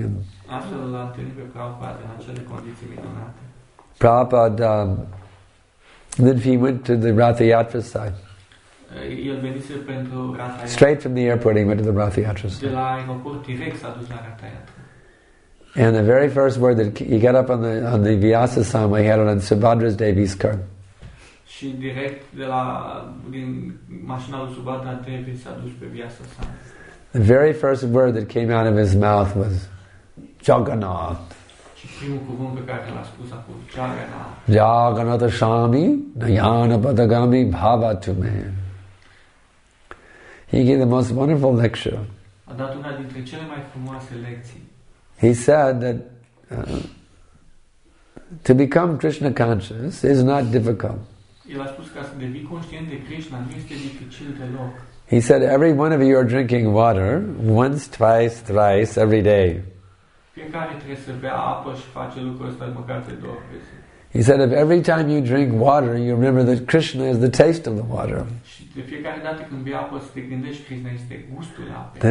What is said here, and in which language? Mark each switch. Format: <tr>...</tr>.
<en>And Prabhupada, then he went to the Rathayatra site. Straight from the airport, he went to the Rathayatra site. And the very first word that he got up on the Vyasa Sama, he had it on Subhadra's Devi's car.</en> <ro>Și direct de la din mașina lui Subhadra trebuie să aduc pe Vyasa Sama.</ro> <en>The very first word that came out of his mouth was Jagannath.</en> <ro>Și primul cuvânt pe care l-a spus a fost Jagannath.</ro> <sa>Jagannath Shami, Nayana Padagami Bhava to me.</sa> <en>He gave the most wonderful lecture.</en> <ro>A dat una dintre cele mai frumoase lecții.</ro> <en>He said that to become Krishna conscious is not difficult.</en> <ro>El a spus că să devii conștient de Krishna nu este dificil deloc.</ro> <en>He said every one of you are drinking water once, twice, thrice every day.</en> <ro>Fiecare trebuie să bea apă și face lucrul ăsta măcar de două ori.</ro> <en>He said if every time you drink water you remember that Krishna is the taste of the water.</en> <ro>Și de fiecare dată când bei apă să te gândești că Krishna este gustul apei.</ro>